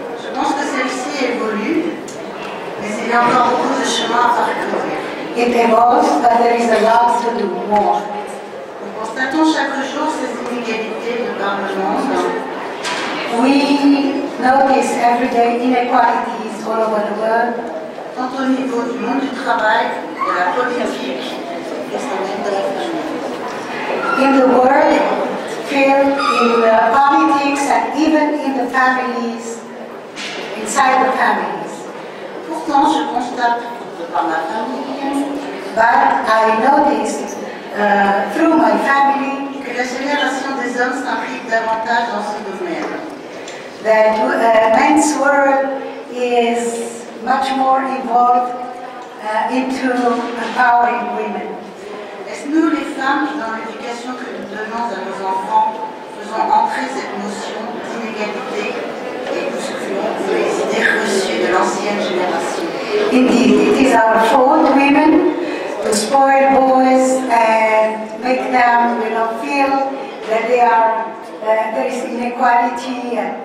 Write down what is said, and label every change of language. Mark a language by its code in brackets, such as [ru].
[fr] Je pense que celle-ci évolue, mais il y a encore beaucoup de chemin à parcourir. [en] It evolves, but there is a lot to do more. [fr] Nous constatons chaque jour ces inégalités de par le monde. [en] We notice everyday inequalities all over the world, [fr] tant au niveau du monde du travail, de la politique, et ça même de la famille. [en] In the world, in the politics and even in the families, inside the families. [fr] Pourtant, je constate de par ma famille, [en] but I noticed through my family [fr] que la génération des hommes s'implique davantage dans ce domaine. [en] That men's world is much more involved into empowering women. [fr] Est-ce nous les femmes dans l'éducation que nous donnons à nos enfants faisons entrer cette notion d'inégalité et bousculons les idées reçues de l'ancienne génération? [en] Indeed, it is our fault, women, to spoil boys and make them, you know, feel that they are there is inequality.